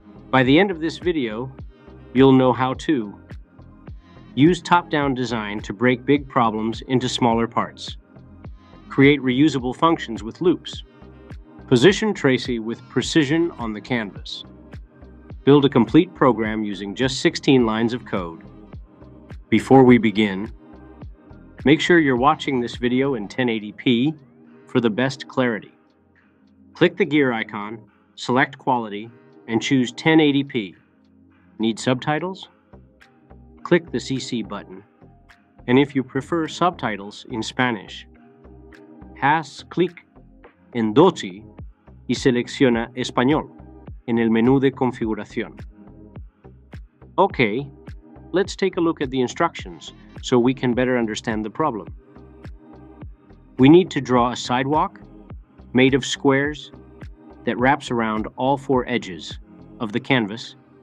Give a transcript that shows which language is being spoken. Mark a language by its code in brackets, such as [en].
[en] By the end of this video, you'll know how to use top-down design to break big problems into smaller parts, create reusable functions with loops, position Tracy with precision on the canvas, build a complete program using just 16 lines of code. Before we begin, make sure you're watching this video in 1080p for the best clarity. Click the gear icon, select quality, and choose 1080p. Need subtitles? Click the CC button. And if you prefer subtitles in Spanish, [es] haz clic en 12 y selecciona Español en el menú de configuración. [en] Okay, let's take a look at the instructions so we can better understand the problem. We need to draw a sidewalk made of squares that wraps around all four edges of the canvas.